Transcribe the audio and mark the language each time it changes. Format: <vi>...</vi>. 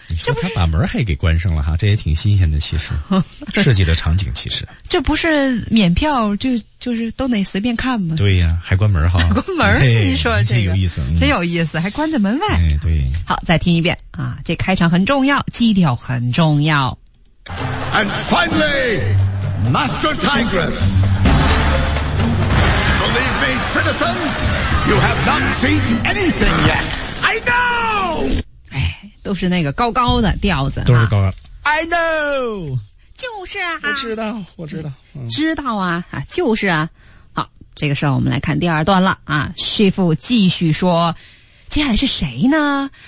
<zh>你说他把门还给关上了哈，这也挺新鲜的其实。设计的场景其实。这不是免票就是都得随便看吗？对呀、啊、还关门哈。关门、哎、你说这个。有意思、嗯、真有意思，还关在门外。哎、对。好，再听一遍啊，这开场很重要，基调很重要。</zh> <en>And finally, Master Tigress! Believe me, citizens, you have not seen anything yet! I know!</en> <zh>哎，都是那个高高的调子。都是高的。</zh> <en>I know!</en> <zh>就是啊，我知道、嗯、知道啊，就是啊。好，这个时候我们来看第二段了啊。 Shifu 继续说，接下来是谁呢？</zh>